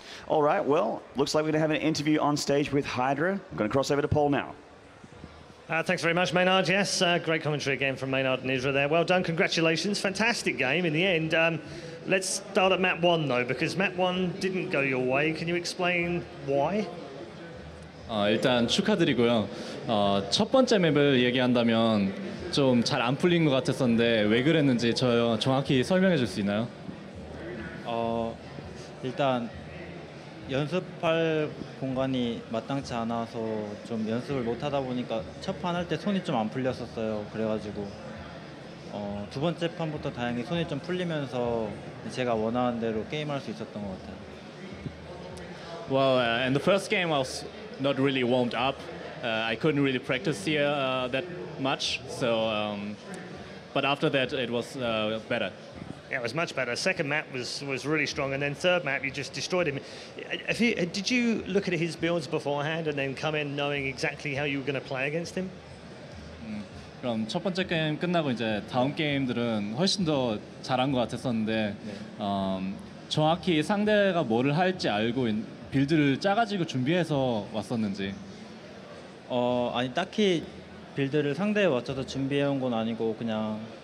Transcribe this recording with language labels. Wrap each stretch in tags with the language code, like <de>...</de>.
<en>All right, well, looks like we're going to have an interview on stage with Hydra. I'm going to cross over to Paul now. Thanks very much, Maynard. Yes, great commentary again from Maynard and Israel there. Well done, congratulations. Fantastic game in the end. Let's start at map one, though, because map one didn't go your way. Can you explain why?</en> <ko>일단 축하드리고요. 첫 번째 맵을 얘기한다면 좀 잘 안 풀린 것 같았었는데 왜 그랬는지 저 정확히 설명해 줄 수 있나요? 일단 연습할 공간이 마땅치 않아서 좀 연습을 못 하다 보니까 첫 판 할 때 손이 좀 안 풀렸었어요. 그래가지고 두 번째 판부터 다행히 손이 좀 풀리면서 제가 원하는 대로 게임할 수 있었던 것 같아요.</ko> <en>Well, in the first game I was not really warmed up. I couldn't really practice here that much. So, but after that it was better. Yeah, it was much better. Second map was really strong, and then third map you just destroyed him. Did you look at his builds beforehand and then come in knowing exactly how you were going to play against him?</en> <ko>그럼 첫 번째 게임 끝나고 이제 다음 게임들은 훨씬 더 잘한 것 같았었는데 네. 정확히 상대가 뭐를 할지 알고 빌드를 짜가지고 준비해서 왔었는지. 아니 딱히 빌드를 상대에 맞춰서 준비해 온 건 아니고 그냥.</ko>